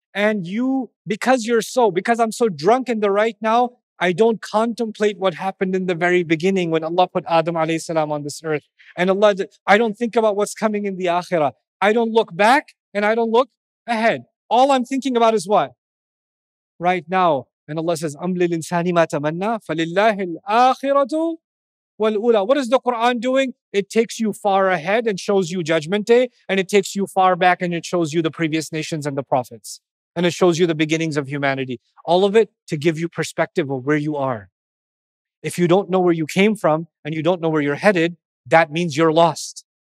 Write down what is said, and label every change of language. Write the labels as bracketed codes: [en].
[en] And you, because I'm so drunk in the right now, I don't contemplate what happened in the very beginning when Allah put Adam alayhi salam on this earth. And Allah, I don't think about what's coming in the akhirah. I don't look back and I don't look ahead. All I'm thinking about is what? Right now. And Allah says, [ar] أَمْلِ الْإِنسَانِ مَا تَمَنَّى فَلِلَّهِ الْآخِرَةُ وَالْأُولَى. [en] What is the Quran doing? It takes you far ahead and shows you judgment day. And it takes you far back and it shows you the previous nations and the prophets. And it shows you the beginnings of humanity. All of it to give you perspective of where you are. If you don't know where you came from and you don't know where you're headed, that means you're lost.